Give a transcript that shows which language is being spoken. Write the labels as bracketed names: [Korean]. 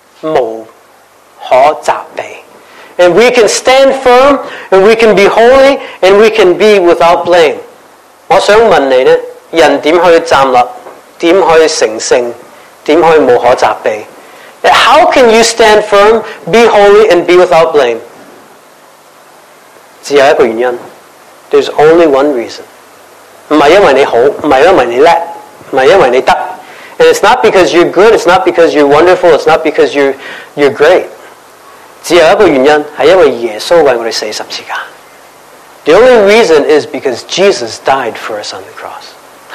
[Chinese] 无可责备, [English] and we can stand firm, and we can be holy, and we can be without blame. [Chinese] 我想问你,人怎可以站立,怎可以成圣,怎可以无可责备? [English] How can you stand firm, be holy, and be without blame? [Chinese] 只有一个原因, [English] there's only one reason. [Chinese] 不是因为你好,不是因为你叻,不是因为你得, [English] and it's not because you're good, it's not because you're wonderful, it's not because you're great. [Chinese] 只有一个原因,是因为耶稣为我们死十字架。 [English] The only reason is because Jesus died for us on the cross.